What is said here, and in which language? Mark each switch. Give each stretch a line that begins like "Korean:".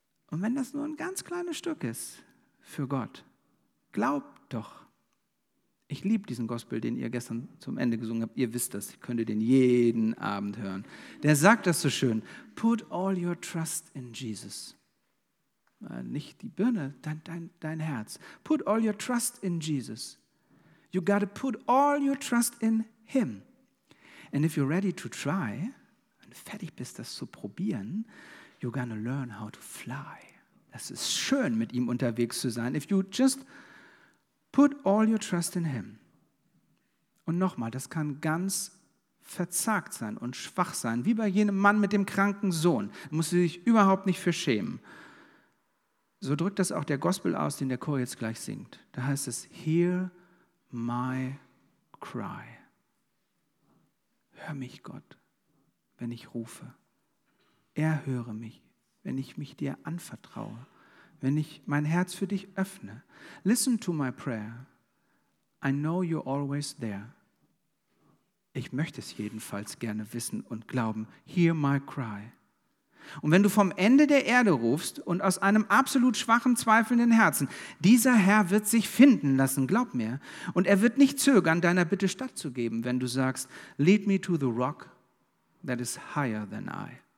German: Und wenn das nur ein ganz kleines Stück ist für Gott, glaub doch. Ich liebe diesen Gospel, den ihr gestern zum Ende gesungen habt. Ihr wisst das, ihr könntet den jeden Abend hören. Der sagt das so schön,
English: put all your trust in Jesus.
German: Nicht die Birne, dein Herz.
English: Put all your trust in Jesus. You gotta put all your trust in him. And if you're ready to try,
German: wenn du fertig bist, das zu probieren,
English: you're gonna learn how to fly.
German: Das ist schön, mit ihm unterwegs zu sein.
English: If you just put all your trust in him.
German: Und nochmal, das kann ganz verzagt sein und schwach sein, wie bei jenem Mann mit dem kranken Sohn. Da musst du dich überhaupt nicht für schämen. So drückt das auch der Gospel aus, den der Chor jetzt gleich singt. Da heißt es,
English: hear my cry.
German: Hör mich, Gott, wenn ich rufe. Er höre mich, wenn ich mich dir anvertraue, wenn ich mein Herz für dich öffne.
English: Listen to my prayer. I know you're always there.
German: Ich möchte es jedenfalls gerne wissen und glauben.
English: Hear my cry.
German: Und wenn du vom Ende der Erde rufst und aus einem absolut schwachen, zweifelnden Herzen, dieser Herr wird sich finden lassen, glaub mir. Und er wird nicht zögern, deiner Bitte stattzugeben, wenn du sagst,
English: lead me to the rock that is higher than I.